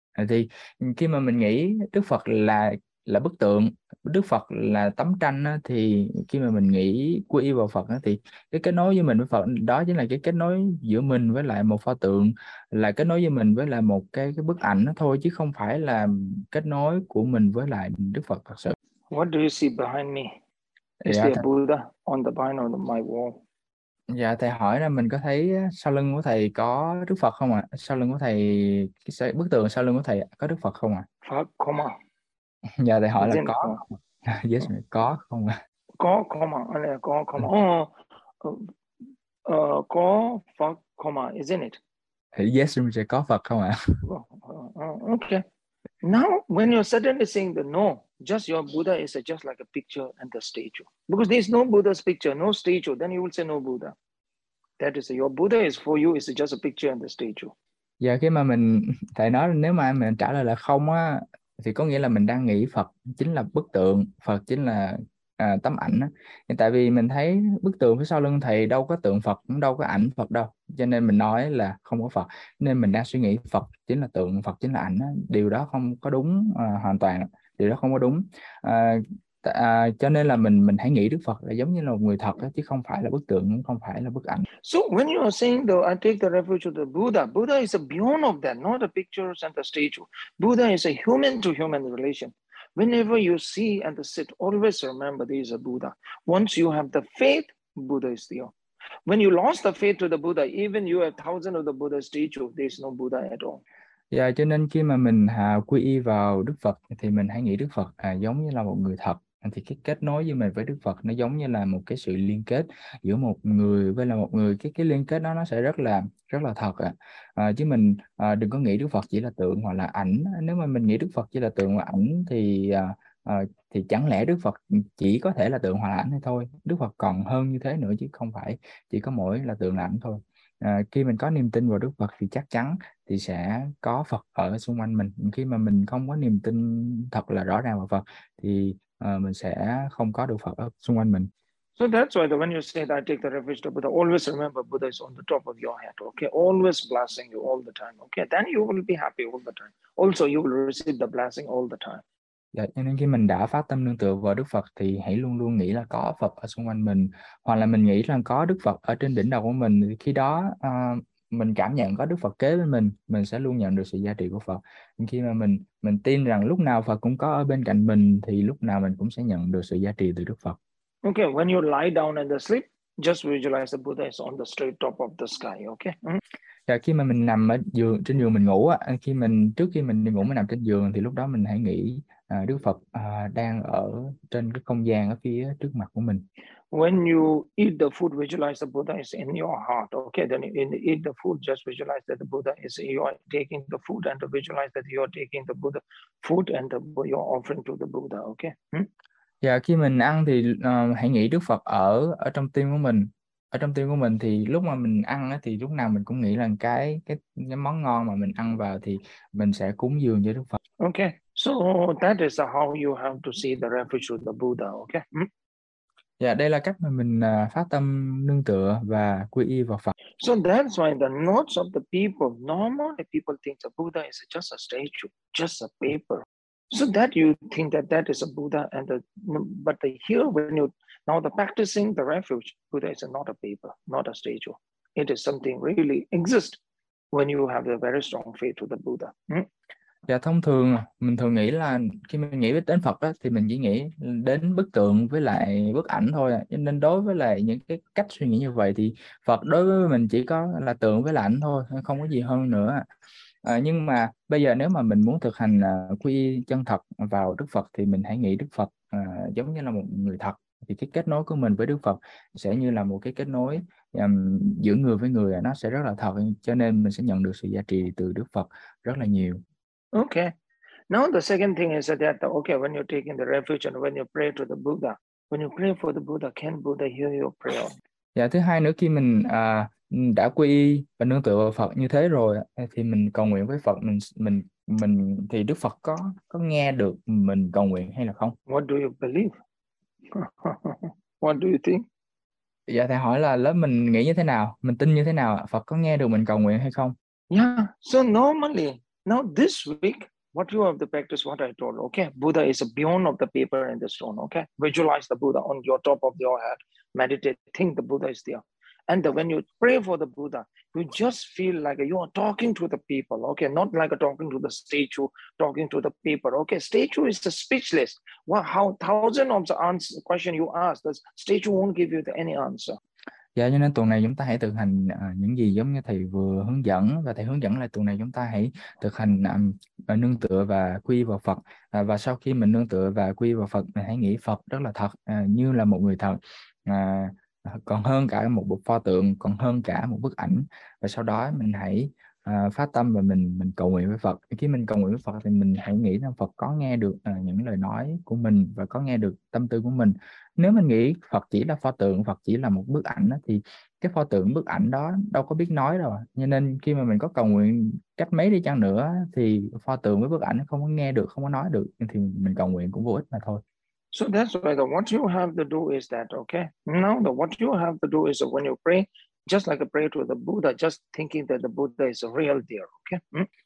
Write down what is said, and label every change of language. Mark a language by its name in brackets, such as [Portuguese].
[Vietnamese] Thì khi mà mình nghĩ Đức Phật là bức tượng, Đức Phật là tấm tranh đó, thì khi mà mình nghĩ quy y vào Phật đó, thì cái kết nối giữa mình với Phật đó chính là cái kết nối giữa mình với lại một pho tượng, là kết nối giữa mình với lại một cái bức ảnh đó thôi, chứ không phải là kết nối của mình với lại Đức Phật thật sự. [English] What do you see behind me? Is [Vietnamese] Dạ, [English] there a Buddha on the behind on my wall? [Vietnamese] Dạ, thầy hỏi là mình có thấy sau lưng của thầy có Đức Phật không ạ? À? Sau lưng của thầy, cái bức tượng sau lưng của thầy có Đức Phật không ạ? À? Phật, comma. Dạ, thầy hỏi [English] Is [Vietnamese] là [English] it [Vietnamese] có. [English] comma? [Vietnamese] Yes, có không ạ? À? Có, comma. Có, comma. Có, Phật, comma, [English] isn't it? [Vietnamese] Yes, sẽ có Phật không ạ? À? Okay. [English] Now, when you're suddenly saying the no, just your Buddha is just like a picture and a statue. Because there is no Buddha's picture, no statue, then you will say no Buddha. That is, your Buddha is for you, is just a picture and a statue. [Vietnamese] Dạ, khi mà mình, thầy nói nếu mà mình trả lời là không á, thì có nghĩa là mình đang nghĩ Phật chính là bức tượng, Phật chính là tấm ảnh á. Tại vì mình thấy bức tượng phía sau lưng thầy đâu có tượng Phật, đâu có ảnh Phật đâu. Cho nên mình nói là không có Phật. Nên mình đang suy nghĩ Phật chính là tượng, Phật chính là ảnh á. Điều đó không có đúng hoàn toàn. Điều đó không có đúng. Cho nên là mình hãy nghĩ Đức Phật là giống như là một người thật đó, chứ không phải là bức tượng, không phải là bức ảnh. [English] So when you are saying though, I take the refuge of the Buddha, Buddha is a beyond of that, not a picture and the statue. Buddha is a human to human relation. Whenever you see and sit, always remember there is a Buddha. Once you have the faith, Buddha is there. When you lost the faith to the Buddha, even you have thousands of the Buddha statue, there is no Buddha at all. [Vietnamese] Dạ, cho nên khi mà mình quy y vào Đức Phật thì mình hãy nghĩ Đức Phật giống như là một người thật, thì cái kết nối giữa mình với Đức Phật nó giống như là một cái sự liên kết giữa một người với là một người, cái liên kết đó nó sẽ rất là thật ạ. Chứ mình đừng có nghĩ Đức Phật chỉ là tượng hoặc là ảnh. Nếu mà mình nghĩ Đức Phật chỉ là tượng hoặc ảnh thì chẳng lẽ Đức Phật chỉ có thể là tượng hoặc là ảnh hay thôi. Đức Phật còn hơn như thế nữa, chứ không phải chỉ có mỗi là tượng là ảnh thôi. Khi mình có niềm tin vào Đức Phật thì chắc chắn thì sẽ có Phật ở xung quanh mình. Khi mà mình không có niềm tin thật là rõ ràng vào Phật thì mình sẽ không có được Phật ở xung quanh mình. [English] So that's why when you say that I take the refuge to Buddha, always remember Buddha is on the top of your head. Okay, always blessing you all the time. Okay, then you will be happy all the time. Also, you will receive the blessing all the time. [Vietnamese] Dạ, cho nên khi mình đã phát tâm nương tựa vào Đức Phật thì hãy luôn luôn nghĩ là có Phật ở xung quanh mình, hoặc là mình nghĩ rằng có Đức Phật ở trên đỉnh đầu của mình, khi đó mình cảm nhận có Đức Phật kế bên mình sẽ luôn nhận được sự giá trị của Phật. Nhưng khi mà mình tin rằng lúc nào Phật cũng có ở bên cạnh mình thì lúc nào mình cũng sẽ nhận được sự giá trị từ Đức Phật. [English] Okay, when you lie down and sleep, just visualize the Buddha is on the straight top of the sky. Okay. [Vietnamese] Và khi mà mình nằm ở giường trên giường mình ngủ á, khi mình trước khi mình đi ngủ mình nằm trên giường thì lúc đó mình hãy nghĩ Đức Phật đang ở trên cái không gian ở phía trước mặt của mình. [English] When you eat the food, visualize the Buddha is in your heart. Okay, then when you eat the food, just visualize that the Buddha is you are taking the food and visualize that you are taking the Buddha food and your offering to the Buddha. Okay. [Vietnamese] Và khi mình ăn thì hãy nghĩ Đức Phật ở ở trong tim của mình. Ở trong tim của mình thì lúc mà mình ăn á, thì lúc nào mình cũng nghĩ là cái món ngon mà mình ăn vào thì mình sẽ cúng dường cho Đức Phật. [English] Okay, so that is how you have to see the refuge of the Buddha, okay? [Vietnamese] Dạ, đây là cách mà mình phát tâm nương tựa và quy y vào Phật. [English] So that's why the notes of the people, normally people think the Buddha is just a statue, just a paper. So that you think that that is a Buddha, and but here when you now the practicing the refuge, Buddha is not a paper, not a statue. It is something really exists when you have a very strong faith to the Buddha. [Vietnamese] Dạ, thông thường mình thường nghĩ là khi mình nghĩ đến Phật á, thì mình chỉ nghĩ đến bức tượng với lại bức ảnh thôi. Nên đối với lại những cái cách suy nghĩ như vậy thì Phật đối với mình chỉ có là tượng với là ảnh thôi, không có gì hơn nữa. Nhưng mà bây giờ nếu mà mình muốn thực hành quy y chân thật vào Đức Phật thì mình hãy nghĩ Đức Phật giống như là một người thật. Thì cái kết nối của mình với Đức Phật sẽ như là một cái kết nối giữa người với người, nó sẽ rất là thật. Cho nên mình sẽ nhận được sự giá trị từ Đức Phật rất là nhiều. [English] Okay. Now the second thing is that okay, when you're taking the refuge and when you pray to the Buddha, when you pray for the Buddha, can Buddha hear your prayer? [Vietnamese] Dạ, thứ hai nữa, khi mình đã quy y và nương tựa vào Phật như thế rồi thì mình cầu nguyện với Phật, mình thì Đức Phật có nghe được mình cầu nguyện hay là không? [English] What do you believe? What do you think? [Vietnamese] Dạ, thầy hỏi là lớp mình nghĩ như thế nào, mình tin như thế nào, Phật có nghe được mình cầu nguyện hay không? [English] Yeah, so normally now this week, what you have to practice, what I told, okay? Buddha is beyond of the paper and the stone, okay? Visualize the Buddha on your top of your head. Meditate, think the Buddha is there. And when you pray for the Buddha, you just feel like you are talking to the people, okay? Not like talking to the statue, talking to the paper, okay? Statue is speechless. Well, how thousand of the answer, question you ask, the statue won't give you any answer. [Vietnamese] Dạ, cho nên tuần này chúng ta hãy thực hành những gì giống như thầy vừa hướng dẫn, và thầy hướng dẫn là tuần này chúng ta hãy thực hành nương tựa và quy vào Phật, và sau khi mình nương tựa và quy vào Phật mình hãy nghĩ Phật rất là thật, như là một người thật, còn hơn cả một bức pho tượng, còn hơn cả một bức ảnh, và sau đó mình hãy phát tâm và mình cầu nguyện với Phật. Khi mình cầu nguyện với Phật thì mình hãy nghĩ rằng Phật có nghe được những lời nói của mình và có nghe được tâm tư của mình. Nếu mình nghĩ Phật chỉ là pho tượng, Phật chỉ là một bức ảnh đó, thì cái pho tượng bức ảnh đó đâu có biết nói đâu. Cho nên khi mà mình có cầu nguyện cách mấy đi chăng nữa thì pho tượng với bức ảnh không có nghe được, không có nói được, thì mình cầu nguyện cũng vô ích mà thôi. [English] So that's why the what you have to do is that, okay? Now the what you have to do is when you pray, just like a prayer to the Buddha, just thinking that the Buddha is a real deal, okay?